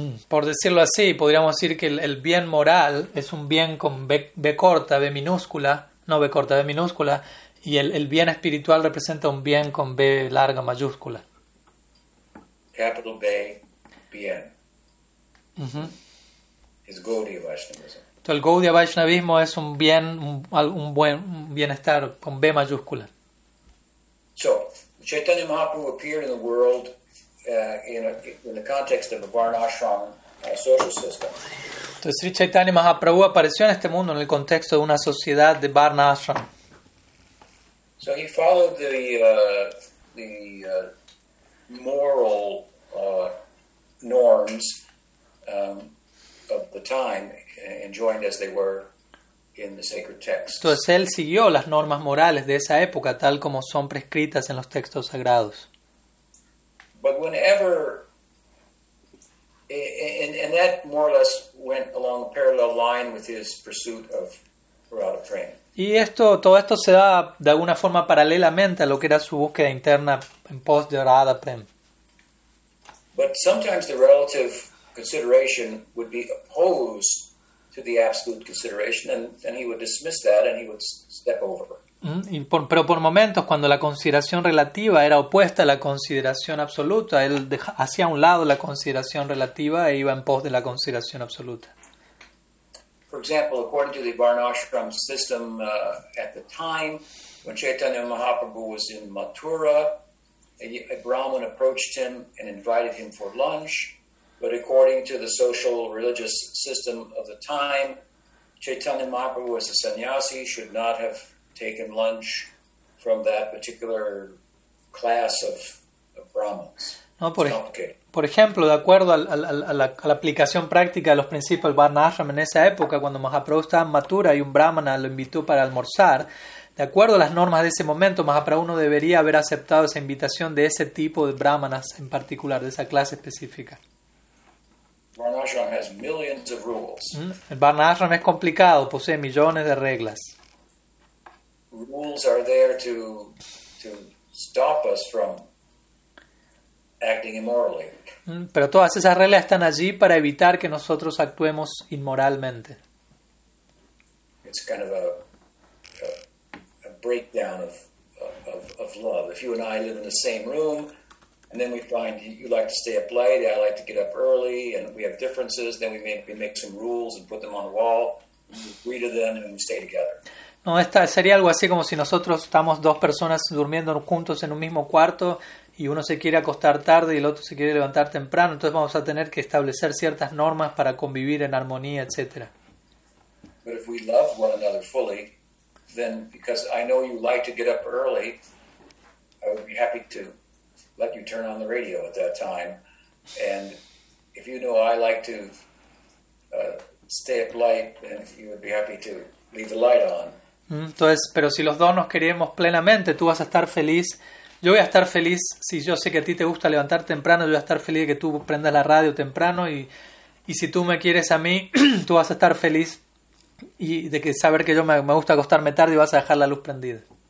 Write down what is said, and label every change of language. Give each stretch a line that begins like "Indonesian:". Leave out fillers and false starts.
Spanish: Por decirlo así, podríamos decir que el bien moral es un bien con B minúscula, y el bien espiritual representa un bien con B larga mayúscula.
English: Capital B, bien. Uh-huh.
Spanish: Es Gaudiya Vaishnavism. Entonces el Gaudiya Vaishnavismo es un bien, un bienestar con B mayúscula.
English: So, Chaitanya Mahaprabhu appeared in the world in the context of a varnashram social system.
Spanish: Entonces, Sri Chaitanya Mahaprabhu apareció en este mundo en el contexto de una sociedad de varnashram.
English: So he followed the moral norms of the time and joined as they were in the sacred texts.
Spanish: Entonces él siguió las normas morales de esa época tal como son prescritas en los textos sagrados.
English: But whenever, and that more or less went along a parallel line with his pursuit of Radha Prem.
Spanish: Y todo esto se da de alguna forma paralelamente a lo que era su búsqueda interna en pos de Radha Prem.
English: But sometimes the relative consideration would be opposed to the absolute consideration, and he would dismiss that and he would step over.
Spanish: Pero por momentos, cuando la consideración relativa era opuesta a la consideración absoluta, él hacía a un lado la consideración relativa e iba en pos de la consideración absoluta.
English: For example, according to the Varnashram system, at the time when Chaitanya Mahaprabhu was in Mathura, a Brahmin approached him and invited him for lunch, but according to the social religious system of the time, Chaitanya Mahaprabhu as a sannyasi should not have taken lunch from that particular class of Brahmins.
Spanish: No, por ejemplo, de acuerdo a la aplicación práctica de los principios del Varnashram en esa época, cuando Mahaprabhu estaba en Mathura y un Brahmana lo invitó para almorzar, de acuerdo a las normas de ese momento, Mahaprabhu no debería haber aceptado esa invitación de ese tipo de Brahmanas en particular, de esa clase específica.
English: Varnashram has millions of rules.
Spanish: El Varnashram es complicado, posee millones de reglas.
English: Rules are there to stop us from acting immorally.
Spanish: Pero todas esas reglas están allí para evitar que nosotros actuemos inmoralmente.
English: It's kind of a breakdown of love. If you and I live in the same room And then we find you like to stay up late, I like to get up early, and we have differences. Then we make some rules and put them on the wall, we agree to them, and we stay together.
Spanish: No, esta sería algo así como si nosotros estamos dos personas durmiendo juntos en un mismo cuarto y uno se quiere acostar tarde y el otro se quiere levantar temprano. Entonces vamos a tener que establecer ciertas normas para convivir en armonía, etc.
English: But if we love one another fully, then because I know you like to get up early, I would be happy to let you turn on the radio at that time. And if you know I like to stay up late, then you would be happy to leave the light on.
Spanish: Entonces, pero si los dos nos queremos plenamente, tú vas a estar feliz. Yo voy a estar feliz si yo sé que a ti te gusta levantar temprano. Yo voy a estar feliz de que tú prendas la radio temprano. Y si tú me quieres a mí, tú vas a estar feliz y de que saber que yo me gusta acostarme tarde y vas a dejar la luz prendida.